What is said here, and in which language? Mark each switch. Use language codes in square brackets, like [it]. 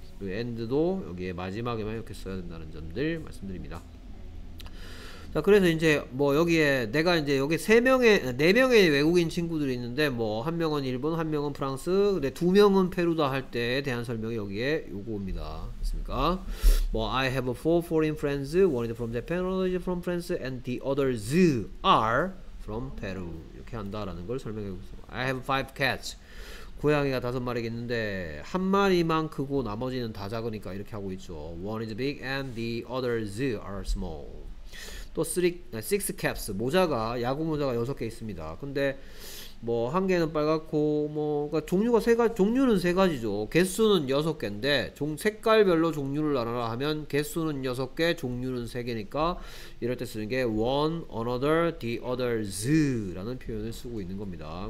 [ko] 그 end도 여기에 마지막에만 이렇게 써야 된다는 점들 말씀드립니다. 자, 그래서 이제 뭐 여기에 내가 이제 여기 네 명의 외국인 친구들이 있는데 뭐 한 명은 일본, 한 명은 프랑스, 근데 두 명은 페루다 할 때에 대한 설명이 여기에 요거입니다. 됐습니까? [en] 뭐 I have four foreign friends, one is from Japan, one is from France, and the others are from Peru. [ko] 이렇게 한다라는 걸 설명해 보세요. [en] I have five cats. [ko] 고양이가 다섯 마리 있는데 한 마리만 크고 나머지는 다 작으니까 이렇게 하고 있죠. [en] One is big and the others are small. [ko] 또 [en] six caps, [ko] 모자가 야구 모자가 여섯 개 있습니다. 근데 뭐 한 개는 빨갛고 뭐 그러니까 종류는 세 가지죠. 개수는 여섯 개인데 색깔별로 종류를 나눠라 하면 개수는 여섯 개, 종류는 세 개니까 이럴 때 쓰는 게 one, another, the others 라는 표현을 쓰고 있는 겁니다.